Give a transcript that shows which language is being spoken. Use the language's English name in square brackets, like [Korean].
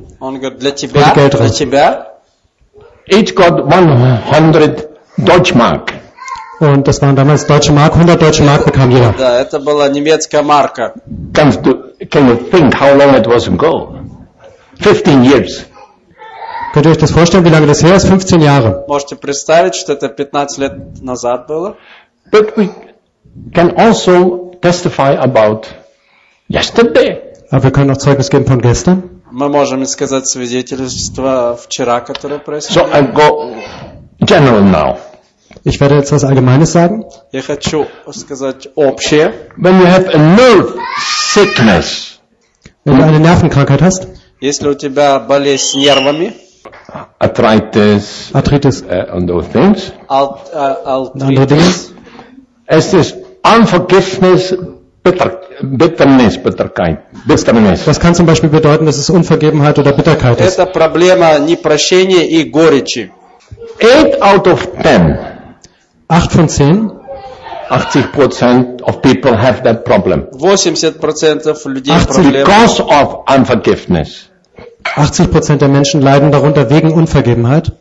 [Russian] Он говорит, для тебя, для тебя. [English] Each got 100 Deutschmark. [German] Und das waren damals deutsche Mark, 100 deutsche Mark bekam jeder. [Russian] Да, это была немецкая марка. [English] Can you think how long it was ago? 15 years. [German] Könnt ihr euch das vorstellen, wie lange das her ist? 15 Jahre. [Russian] Можете представить, что это 15 лет назад было? [English] But we, can also testify about yesterday. [Russian] А вы [German] können auch Zeugnis geben von gestern? [Russian] Мы можем сказать свидетельство вчера, которое произошло. [English] So I go general now. [German] Ich werde jetzt was Allgemeines sagen. [Russian] Я хочу сказать общее. [English] When you have a nerve sickness. [German] Wenn du eine Nervenkrankheit hast. [Russian] Если у тебя болезнь с нервами. [English] Arthritis. And those things. [German] Arthritis. Es ist [English] unforgiveness, bitterness, bitterness. [German] Das kann zum Beispiel bedeuten, dass es Unvergebenheit oder Bitterkeit ist. [Russian] Это проблема непрощения и горечи. [English] 8 out of 10. [German] 8 von 10. [English] 80% of people have that problem. [Russian] 80% [English] of [Russian] людей проблема. [English] Because of unforgiveness. [German] 80% der Menschen leiden darunter wegen Unvergebenheit.